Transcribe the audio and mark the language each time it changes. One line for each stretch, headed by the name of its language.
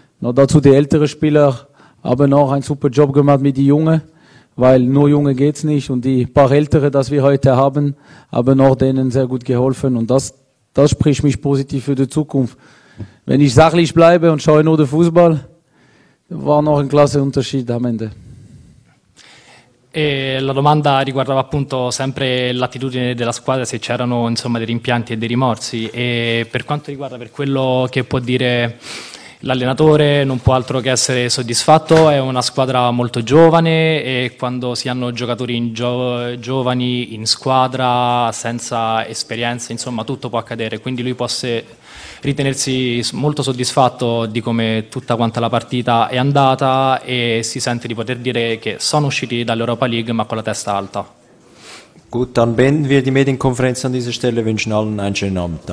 German: Noch dazu die älteren Spieler haben auch einen super Job gemacht mit den Jungen. Weil nur Junge geht's nicht und die paar Ältere, die wir heute haben, haben auch denen sehr gut geholfen und das spricht mich positiv für die Zukunft. Wenn ich sachlich bleibe und schaue nur den Fußball, war noch ein klasse Unterschied am Ende.
Italian: E la domanda riguardava appunto sempre l'attitudine della squadra, se c'erano insomma dei rimpianti e dei rimorsi. E per quanto riguarda, per quello che può dire l'allenatore, non può altro che essere soddisfatto, è una squadra molto giovane e quando si hanno giocatori giovani in squadra, senza esperienza, insomma tutto può accadere, quindi lui può ritenersi molto soddisfatto di come tutta quanta la partita è andata e si sente di poter dire che sono usciti dall'Europa League ma con la testa alta.
German: Gut, dann beenden wir die Medienkonferenz an dieser Stelle, wünschen allen einen schönen Abend.